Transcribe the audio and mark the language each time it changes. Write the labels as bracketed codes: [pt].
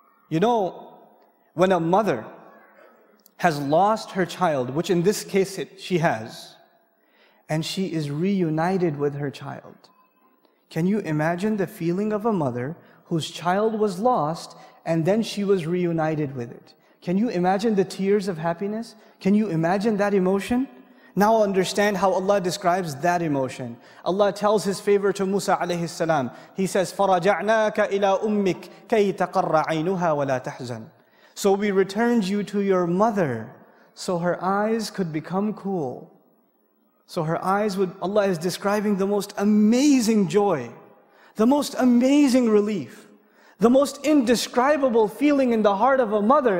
[en] You know, when a mother has lost her child, which in this case she has, and she is reunited with her child. Can you imagine the feeling of a mother whose child was lost and then she was reunited with it? Can you imagine the tears of happiness? Can you imagine that emotion? Now understand how Allah describes that emotion. Allah tells His favor to Musa alayhi salam. He says, [ar] فَرَجَعْنَاكَ إِلَىٰ أُمِّكَ كَيْ تَقَرَّ عَيْنُهَا وَلَا تَحْزَنُ. [en] So we returned you to your mother so her eyes could become cool. So her eyes would, Allah is describing the most amazing joy, the most amazing relief, the most indescribable feeling in the heart of a mother.